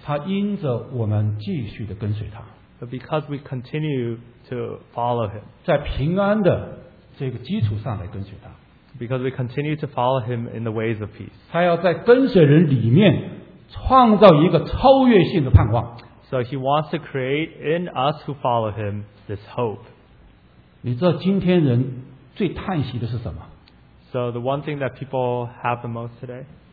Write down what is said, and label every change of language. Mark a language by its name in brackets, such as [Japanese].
[Chinese] 他因着我们继续的跟随他。 [English] But because we continue to follow him. [Chinese] 在平安的这个基础上来跟随他。 [English] Because we continue to follow him in the ways of peace. [Chinese] 他要在跟随人里面创造一个超越性的盼望。 [English] So he wants to create in us who follow him this hope. [Chinese] 你知道今天人最叹息的是什么？ [English] So the one thing that people have the most today?